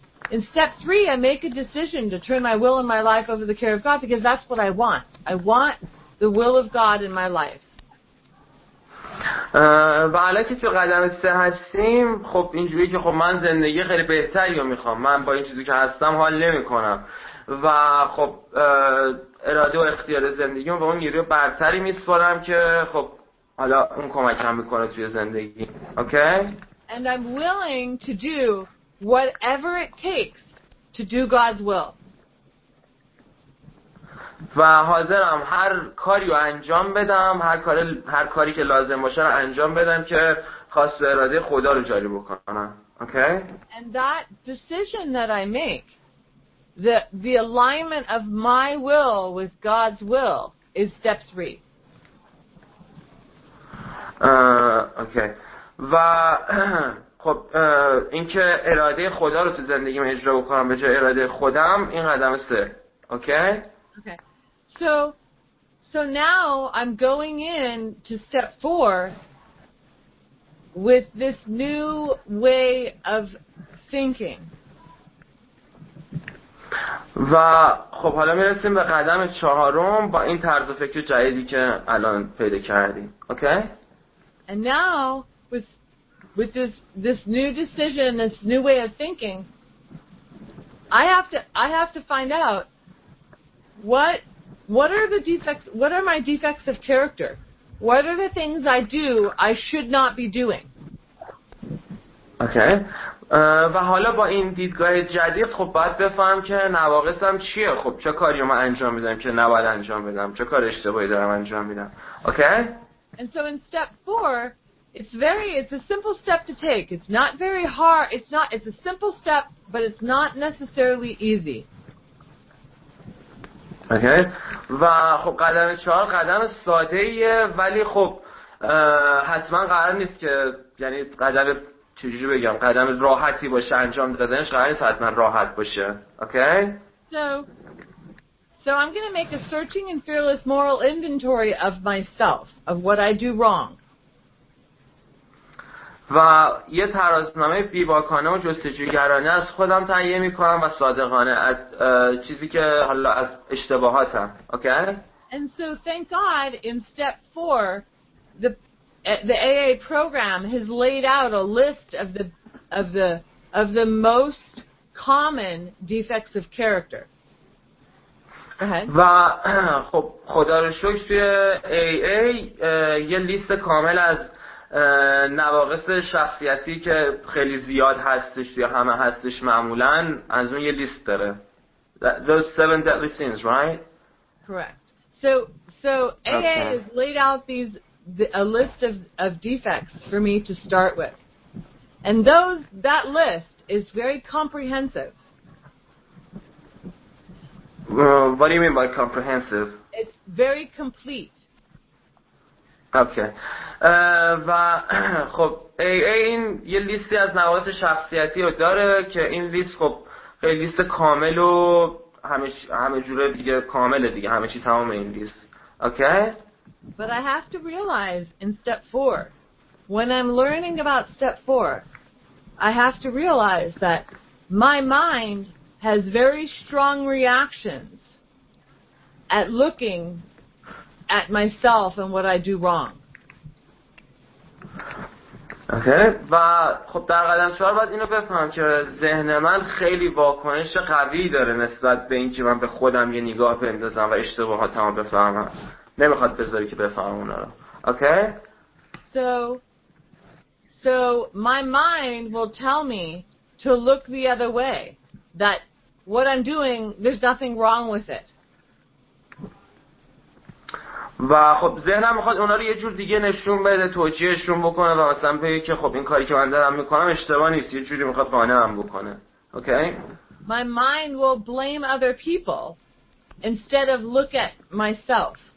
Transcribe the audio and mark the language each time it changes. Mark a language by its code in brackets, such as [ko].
[en] In step 3, I make a decision to turn my will and my life over the care of God because that's what I want. I want the will of God in my life. [fa] و حالا که تو قدم 3 هستیم، خب اینجوری که خب من زندگی خیلی بهتری رو میخوام. من با این چیزی که هستم حال نمیکنم. و خب اراده و اختیار زندگیمو به اون نیروی برتری میسپارم که خب حالا اون کمکم میکنه توی زندگی. اوکی. [en] And I'm willing to do whatever it takes to do God's will. [fa] و حاضرم هر کاری رو انجام بدم، هر کاری که لازم باشه رو انجام بدم که خواست و اراده خدا رو جاری بکنم. اوکی. [en] And that decision that I make the alignment of my will with God's will is step 3. Okay. [fa] و خب اینکه اراده خدا رو تو زندگیم اجرا بکنم به جای اراده خودم این قدم 3. [en] Okay? Okay. So now I'm going in to step 4 with this new way of thinking. [fa] و خب حالا میرسیم به قدم 4 با این طرز فکر جدیدی که الان پیدا کردیم. [en] Okay? And now with this new decision, this new way of thinking, I have to find out what are the defects, what are my defects of character? What are the things I do I should not be doing? Okay. [fa] و حالا با این دیدگاه جدید خب باید بفهم که نواقصم چیه. خب چه کاری رو من انجام میدم که نباید انجام بدم، چه کار اشتباهی دارم انجام میدم. [en] Okay. And so in step 4, it's a simple step to take. It's not very hard. It's a simple step, but it's not necessarily easy. Okay. [fa] و خب قدم 4 قدم ساده ایه، ولی خب حتما قرار نیست که، یعنی قدم چجوری بگم، قدم راحتی باشه انجام دادنش، قرار نیست حتما راحت باشه. [en] Okay. So I'm going to make a searching and fearless moral inventory of myself, of what I do wrong. [fa] و یه ترازنامه بیباکانه و جستجوگرانه از خودم تهیه میکنم و صادقانه از چیزی که حالا از اشتباهاتم. [en] Okay. And so thank God in step 4 the AA program has laid out a list of the most common defects of character. [fa] و خب خدا رو شکر توی AA یه لیست کامل از نواقص شخصیتی که خیلی زیاد هستش یا همه هستش معمولا از اون یه لیست داره. [en] Those 7 deadly sins, right? Correct. So AA okay. has laid out a list of defects for me to start with. And that list is very comprehensive. What do you mean by comprehensive? It's very complete. Okay. [fa] و خب این یه لیستی از نواقص شخصیتی رو داره که این لیست خب خیلی لیست کامل و همه جوره دیگه کامله دیگه، همه چی تمامه این لیست. [en] Okay? But I have to realize in step 4, when I'm learning about step 4, I have to realize that my mind has very strong reactions at looking at myself and what I do wrong. Okay. [fa] و خب در قدم 4 باید اینو بفهم که ذهن من خیلی واکنش قوی داره نسبت به این که من به خودم یه نگاه بندازم و اشتباهاتمو بفهمم. نمیخواد بذاری که بفهمم اونا رو. [en] Okay. So my mind will tell me to look the other way. That what I'm doing, there's nothing wrong with it. [fa] و خب ذهنم میخواد اونا رو یه جور دیگه نشون بده، توجیهشون بکنه و مثلا بگه که خب این کاری که من دارم میکنم اشتباه نیست، یه جوری میخواد بهانه هم بکنه. [en] Okay? My mind will blame other people instead of look at myself.